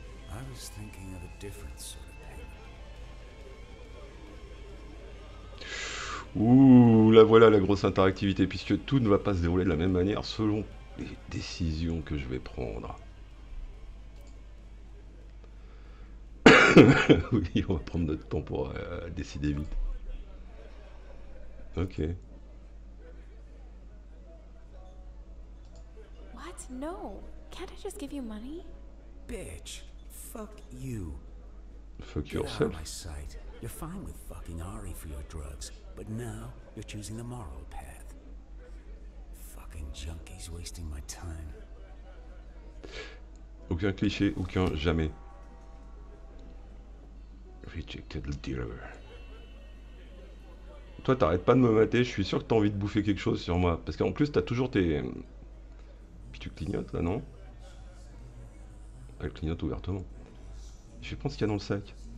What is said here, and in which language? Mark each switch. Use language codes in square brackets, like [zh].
[en] I was thinking of a different sort of payment. [fr] Ouh, la voilà la grosse interactivité, puisque tout ne va pas se dérouler de la même manière selon les décisions que je vais prendre. Oui, on va prendre notre temps pour décider vite. Ok. [en] What? No. Can't I just give you money? Bitch. Fuck you. Fuck yourself. Get out of my sight. You're fine with fucking Ari for your drugs, but now you're choosing the moral path. Fucking junkies wasting my time. [fr] Aucun cliché, aucun jamais. [en] Rejected dealer. [fr] Toi, t'arrêtes pas de me mater, je suis sûr que t'as envie de bouffer quelque chose sur moi. Parce qu'en plus, t'as toujours tes... Puis tu clignotes, là, non? Elle clignote ouvertement. Je vais prendre ce qu'il y a dans le sac.